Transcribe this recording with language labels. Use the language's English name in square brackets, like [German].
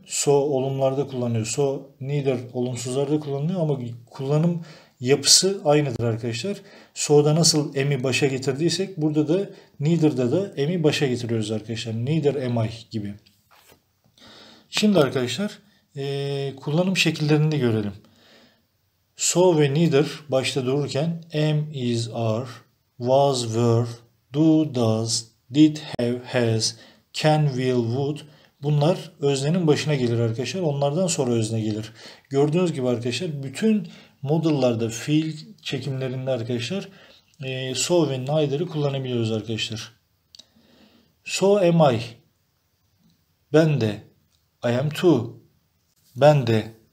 [Turkish] So olumlarda kullanılıyor. So neither olumsuzlarda kullanılıyor ama kullanım yapısı aynıdır arkadaşlar. So'da nasıl am'i başa getirdiysek burada da neither'da da am'i başa getiriyoruz arkadaşlar. Neither am I gibi. Şimdi arkadaşlar kullanım şekillerini de görelim. So ve neither başta dururken am, is, are, was, were, do, does, did, have, has, can, will, would. Bunlar öznenin başına gelir arkadaşlar. Onlardan sonra özne gelir. Gördüğünüz gibi arkadaşlar bütün modellerde fiil çekimlerinde arkadaşlar so ve neither'ı kullanabiliyoruz arkadaşlar. [English] So am I. [Turkish] Ben de. [English] I am too. Ben de.